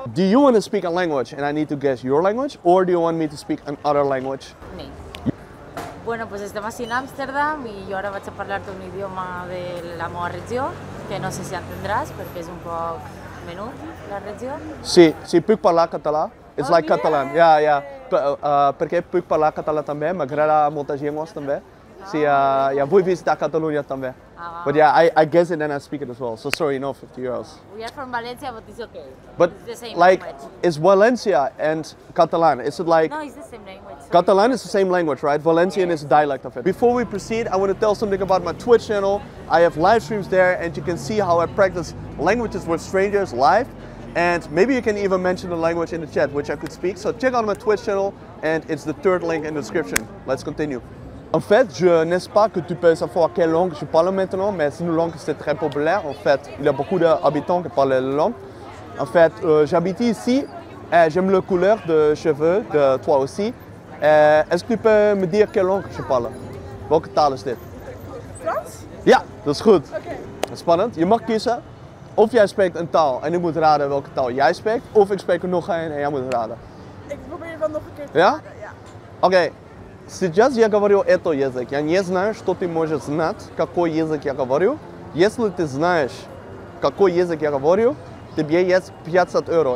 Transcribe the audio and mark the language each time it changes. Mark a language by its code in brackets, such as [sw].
[en] Do you want to speak a language and I need to guess your language? Or do you want me to speak another language? No. [es] Bueno, pues estamos en Amsterdam y yo ahora voy a hablar de un idioma de la nueva región, que no sé si entendrás, porque es un poco menú la región. [ca] Sí, sí, puc parlar català. [en] It's oh, like yeah. Catalan. Yeah, yeah. [ca] Perché puc parlar català també, m'agrada moltes llengües també. [es] Sí, [en] yeah, [es] voy a visitar Catalunya [ca] també. [en] But yeah, I guess it and I speak it as well. So sorry, no 50 euros. We are from Valencia, but it's okay. But it's the same like, language. Is Valencia and Catalan? Is it like? No, it's the same language. Catalan is the same language, right? Valencian yes. Is a dialect of it. Before we proceed, I want to tell something about my Twitch channel. I have live streams there, and you can see how I practice languages with strangers live. And maybe you can even mention the language in the chat, which I could speak. So check out my Twitch channel, and it's the third link in the description. Let's continue. [fr] En fait, je ne sais pas que tu peux savoir quelle langue je parle maintenant, mais c'est une langue qui est très populaire. En fait, il y a beaucoup d'habitants qui parlent la langue. En fait, j'habite ici et j'aime la couleur de cheveux de toi aussi. Et est-ce que tu peux me dire quelle langue je parle? [nl] Welke taal is dit? Frans? Ja, dat is goed. [en] Okay. [nl] Spannend. Je mag kiezen of jij spreekt een taal en ik moet raden welke taal jij spreekt, of ik spreek er nog een en jij moet raden. Ik probeer wel nog een keer te ja? Raden, ja. Oké. Okay. [ru] Сейчас я говорю этот язык. Я не знаю, что ты можешь знать, какой язык я говорю. Если ты знаешь, какой язык я говорю, тебе есть 50 евро.